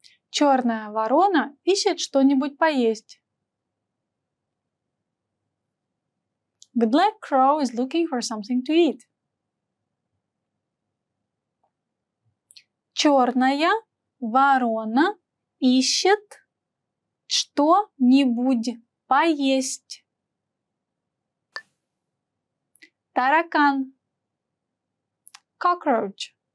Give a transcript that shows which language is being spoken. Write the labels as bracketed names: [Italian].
[Russian] Черная ворона ищет что-нибудь поесть. [English] The black crow is looking for something to eat. [Russian] Черная ворона ищет что-нибудь поесть. Таракан. [English] Cockroach.